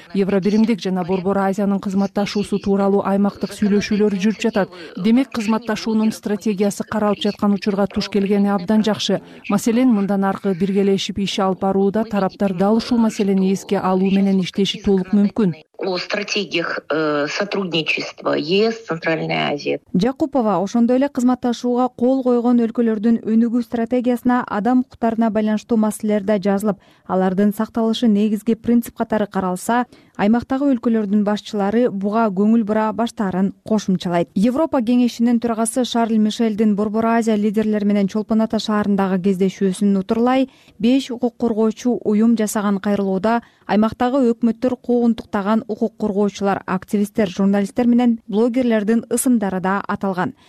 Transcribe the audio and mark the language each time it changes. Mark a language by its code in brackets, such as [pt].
[ky] Евробиримдик жана Борбор Азиянын кызматташуусу тууралуу аймактык сүйлөшүүлөр жүрүп жатат. Демек, кызматташуунун стратегиясы каралып жаткан учурга туш келгени абдан жакшы. Маселен, мындан аркы биргелешип иш алып барууда тараптар дал ушул маселени эске алуу менен иштеши толук мүмкүн. [ru] О стратегиях сотрудничества ЕС, Центральная Азия. [ky] Жакупова ошондой эле кызматташууга кол койгон өлкөлөрдүн өнүгүү стратегиясына адам укуктарына байланыштуу маселелер да жазылып, алардын сакталышы негизги принцип катары каралса, аймактагы өлкөлөрдүн башчылары буга көңүл бура баштарын кошумчалайт. Европа кеңешинин төрагасы Шарль Мишельдин Борбор Азия лидерлери менен Чолпон Ата шаарындагы кездешүүсүн утурлай, беш укук коргоочу уюм жасаган кайрылууда аймактагы өкмөттөр куугунтуктаган укук коргоочулар, активисттер, журналисттер менен блогерлердин ысымдары да аталган.